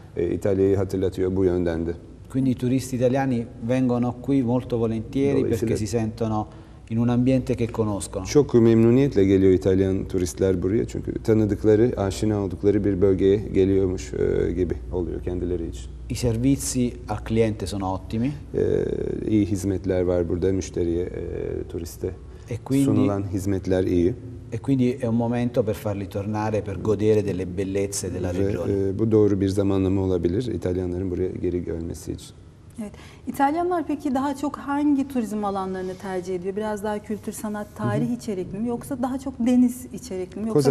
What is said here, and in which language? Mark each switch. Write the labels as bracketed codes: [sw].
[tr] İtalya'yı hatırlatıyor bu yönden de. [it] Quindi i turisti italiani vengono qui molto volentieri perché si sentono in un ambiente che conoscono. [tr] Çok memnuniyetle geliyor İtalyan turistler buraya çünkü tanıdıkları, aşina oldukları bir bölgeye geliyormuş gibi oluyor kendileri için. [it] I servizi al cliente sono ottimi. [tr] İyi hizmetler var burada müşteriye, turiste sunulan hizmetler iyi. [it] E quindi è un momento per farli tornare per godere delle bellezze della regione. [tr] Bu doğru bir zamanlama olabilir İtalyanların buraya geri gelmesi için. Evet. İtalyanlar peki daha çok hangi turizm alanlarını tercih ediyor? Biraz daha kültür, sanat, tarih içerikli mi yoksa daha çok deniz içerikli mi yoksa